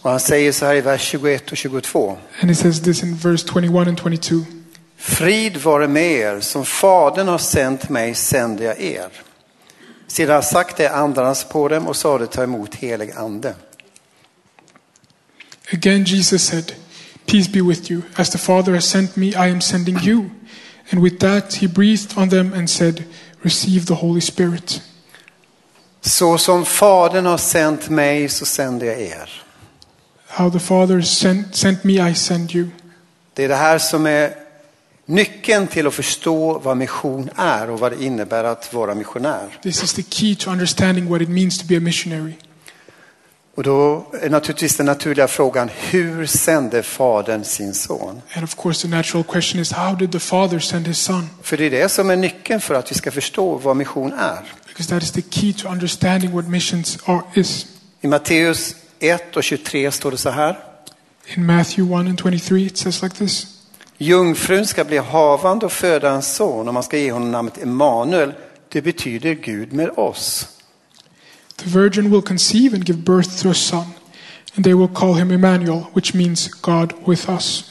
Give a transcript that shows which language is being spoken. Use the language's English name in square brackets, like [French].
[Swedish] Och han säger så här i vers 21 och 22. [English] And he says this in verse 21 and 22. [Swedish] Frid vare med er, som Fadern har sänt mig sände jag er. Sedan har sagt det andarnas på dem och sa det ta emot helig ande. [English] Again Jesus said, peace be with you. As the Father has sent me, I am sending you. And with that he breathed on them and said, receive the Holy Spirit. [Swedish] Så som Fadern har sänt mig så sänder jag er. [English] How the Father sent me, I send you. [Swedish] Det är det här som är nyckeln till att förstå vad mission är och vad det innebär att vara missionär. [English] This is the key to understanding what it means to be a missionary. [Swedish] Och då är naturligtvis den naturliga frågan, hur sände Fadern sin son? [English] And of course the natural question is, how did the Father send his son? [Swedish] För det är det som är nyckeln för att vi ska förstå vad mission är. [English] Because that is the key to understanding what missions are is. [Swedish] I Matteus 1 och 23 står det så här. [English] In Matthew 1 and 23 it says like this. [Swedish] Jungfrun ska bli havande och föda en son och man ska ge honom namnet Emmanuel. Det betyder Gud med oss. [English] The virgin will conceive and give birth to a son, and they will call him Emmanuel, which means God with us.